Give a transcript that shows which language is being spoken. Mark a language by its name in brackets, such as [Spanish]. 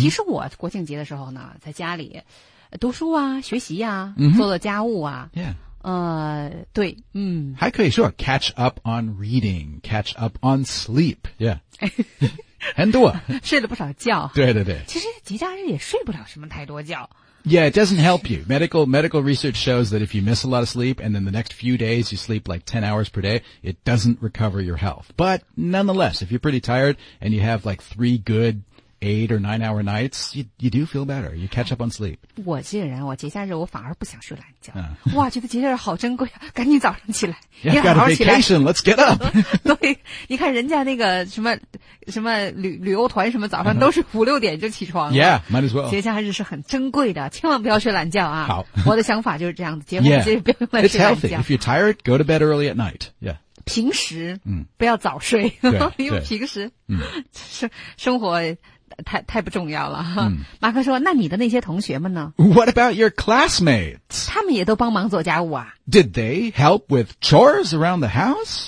[Chinese] 其实我国庆节的时候呢在家里读书啊学习啊、 [English] mm-hmm. [Chinese] 做了家务啊、 [English] yeah. [Chinese] 对还可以说 [English] catch up on reading catch up on sleep yeah [Chinese] 很多睡了不少觉对对对其实节假日也睡不了什么太多觉 [English] Yeah, it doesn't help you. Medical research shows that if you miss a lot of sleep and then the next few days you sleep like 10 hours per day, it doesn't recover your health. But nonetheless, if you're pretty tired and you have like 3 good 8 or 9 hour nights, you do feel better. You catch up on sleep. [Chinese] 我这个人我节假日我反而不想睡懒觉。哇觉得节假日好珍贵啊赶紧早上起来。 [English] Yeah, got a vacation, let's get up. [Chinese] 对你看人家那个什么旅游团什么早上都是五六点就起床了。 [English] Yeah, might as well. [Chinese] 节假日是很珍贵的千万不要睡懒觉啊。好。我的想法就是这样子节目节日不要睡懒觉。 [English] It's healthy. If you're tired, go to bed early at night. Yeah. [Chinese] 平时不要早睡、因为平时、生活太不重要了、马克说那你的那些同学们呢 [English] What about your classmates? [Chinese] 他们也都帮忙做家务啊 [English] Did they help with chores around the house?